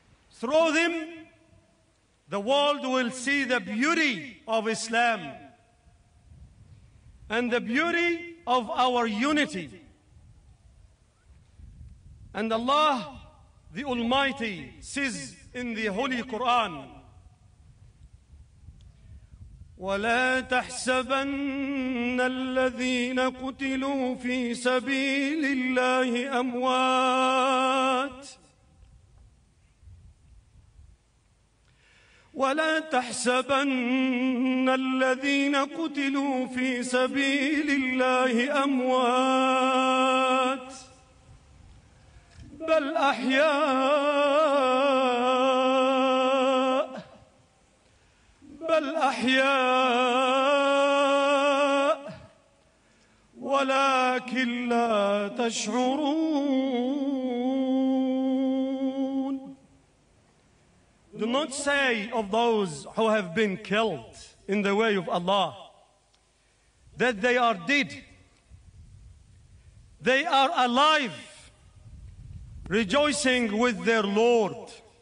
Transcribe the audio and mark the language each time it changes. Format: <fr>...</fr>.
<en>Through them, the world will see the beauty of Islam and the beauty of our unity. And Allah, the Almighty, says in the Holy Quran,</en> <ar>وَلَا تَحْسَبَنَّ الَّذِينَ قُتِلُوا فِي سَبِيلِ اللَّهِ أَمْوَاتٍ ولا تحسبن الذين قتلوا في سبيل الله أموات بل أحياء ولكن لا تشعرون.</ar> <en>Do not say of those who have been killed in the way of Allah that they are dead. They are alive, rejoicing with their Lord.</en>